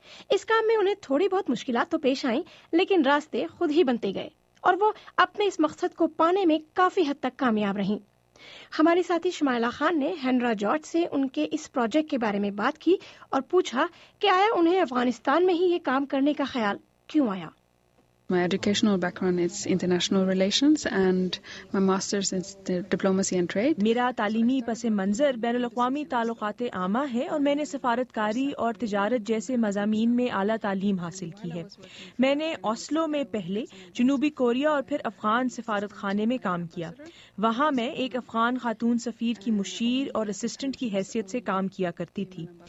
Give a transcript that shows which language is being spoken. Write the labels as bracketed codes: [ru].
[ur] اس کام میں انہیں تھوڑی بہت مشکلات تو پیش آئیں, لیکن راستے خود ہی بنتے گئے اور وہ اپنے اس مقصد کو پانے میں کافی حد تک کامیاب رہیں. ہماری ساتھی شمائلہ خان نے ہینرا جارج سے ان کے اس پروجیکٹ کے بارے میں بات کی اور پوچھا کہ آیا انہیں افغانستان میں ہی یہ کام کرنے کا خیال کیوں آیا. [en] My educational background is international relations and my master's is diplomacy and trade. [ur] میرا تعلیمی پس منظر بین الاقوامی تعلقات عامہ ہے, اور میں نے سفارتکاری اور تجارت جیسے مضامین میں اعلیٰ تعلیم حاصل کی ہے. میں نے اوسلو میں پہلے جنوبی کوریا اور پھر افغان سفارت خانے میں کام کیا. وہاں میں ایک افغان خاتون سفیر کی مشیر اور اسسٹنٹ کی حیثیت سے کام کیا کرتی تھی.